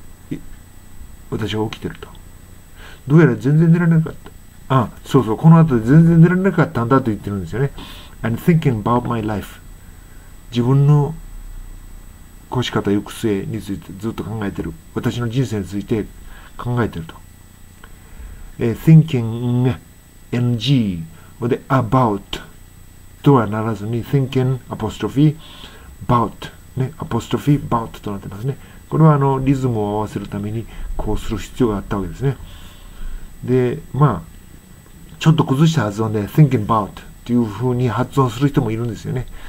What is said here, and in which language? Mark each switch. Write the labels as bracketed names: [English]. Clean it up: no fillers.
[English] 5:52 a.m. I'm awake、 [Japanese] 私は起きてると。どうやら全然寝られなかった、あそうそう、この後で全然寝られなかったんだと言ってるんですよね。 [English] And thinking about my life、 [Japanese] 自分の越し方行く末についてずっと考えてる、私の人生について考えてると。 thinking ng、で about とはならずに [English] thinking apostrophe about [Japanese] ね、apostrophe about となってますね。これはリズムを合わせるためにこうする必要があったわけですね。でまあちょっと崩した発音で [English] thinking about [Japanese] っていうふうに発音する人もいるんですよね。